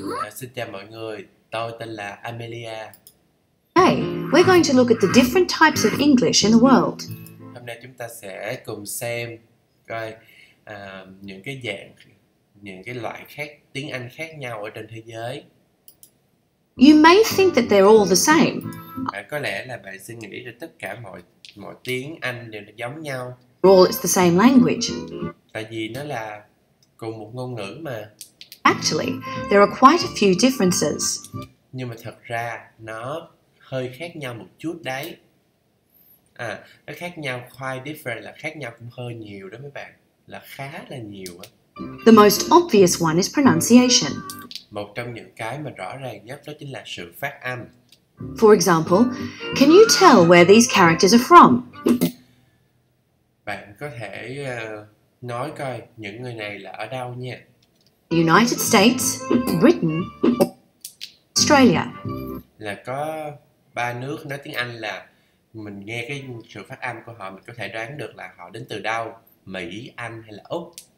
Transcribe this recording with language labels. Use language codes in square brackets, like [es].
[vi] Xin chào mọi người, tôi tên là Amelia. [en] Hey, we're going to look at the different types of English in the world. [vi] Hôm nay chúng ta sẽ cùng xem coi những cái dạng, những cái loại khác tiếng Anh khác nhau ở trên thế giới. [en] You may think that they're all the same. [vi] Có lẽ là bạn suy nghĩ là tất cả mọi tiếng Anh đều giống nhau. [en] All it's the same language. [vi] Tại vì nó là cùng một ngôn ngữ mà. [en] Actually, there are quite a few differences. [vi] Nhưng mà thật ra nó hơi khác nhau một chút đấy. Nó khác nhau [en] quite different [vi] là khác nhau cũng hơi nhiều đó mấy bạn, là khá là nhiều á. [en] The most obvious one is pronunciation. [vi] Một trong những cái mà rõ ràng nhất đó chính là sự phát âm. [en] For example, can you tell where these characters are from? [vi] Bạn có thể nói coi những người này là ở đâu nha. [en] United States, Britain, Australia. [vi] Là có ba nước nói tiếng Anh là mình nghe cái sự phát âm của họ mình có thể đoán được là họ đến từ đâu, Mỹ, Anh hay là Úc.